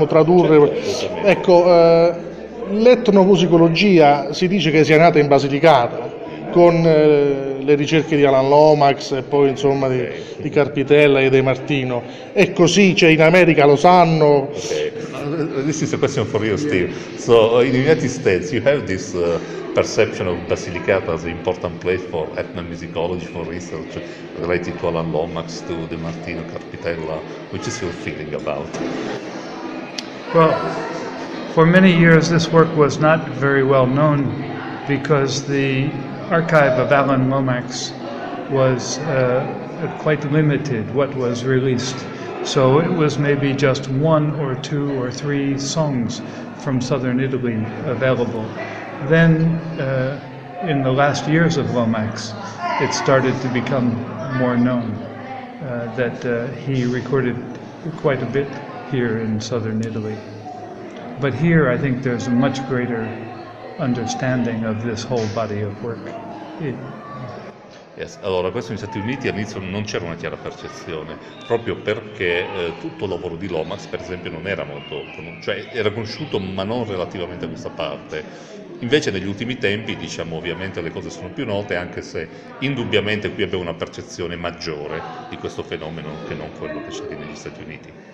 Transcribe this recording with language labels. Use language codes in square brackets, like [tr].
[it] Certo, tradurre, assolutamente. ecco, l'etnomusicologia si dice che sia nata in Basilicata, con le ricerche di Alan Lomax e poi insomma di Carpitella e De Martino. È così, cioè in America lo sanno. [en] This is a question for you, Steve. So, in the United States, you have this perception of Basilicata as an important place for ethnomusicology, for research related to Alan Lomax, to De Martino, Carpitella. Which is your feeling about? Well, for many years, this work was not very well known because the archive of Alan Lomax was quite limited, what was released. So it was maybe just one or two or three songs from southern Italy available. Then, in the last years of Lomax, it started to become more known that he recorded quite a bit here in southern Italy. But here, I think there's a much greater understanding of this whole body of work. Yes. [it] Allora, questo negli Stati Uniti all'inizio non c'era una chiara percezione, proprio perché tutto il lavoro di Lomax, per esempio, non era molto conosciuto, cioè era conosciuto ma non relativamente a questa parte. Invece negli ultimi tempi, diciamo, ovviamente le cose sono più note, anche se indubbiamente qui abbiamo una percezione maggiore di questo fenomeno che non quello che c'è negli Stati Uniti.